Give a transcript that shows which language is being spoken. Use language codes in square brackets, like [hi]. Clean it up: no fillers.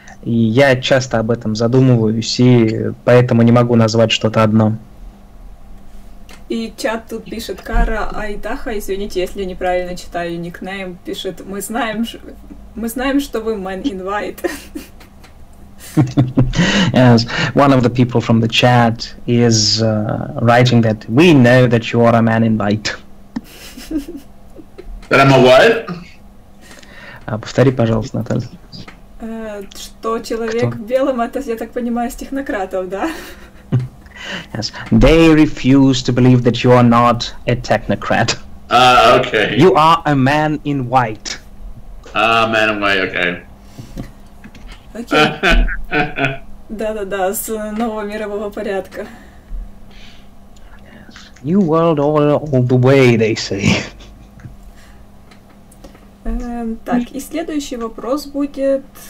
[ru] И я часто об этом задумываюсь, и поэтому не могу назвать что-то одно. И чат тут пишет: Кара Айдаха, извините, если я неправильно читаю никнейм, пишет: мы знаем, что вы Man Invite. [en] Yes, one of the people from the chat is writing that we know that you are a man invite. That I'm a what? [ru] Повтори, пожалуйста, Наталья. Что человек в белом, это, я так понимаю, с технократов, да? [en] Yes, they refuse to believe that you are not a technocrat. Okay. You are a man in white. Man in white, okay. Okay. [ru] Да-да-да, с нового мирового порядка. [en] New world order all the way, they say. [ru] Так, и следующий вопрос будет...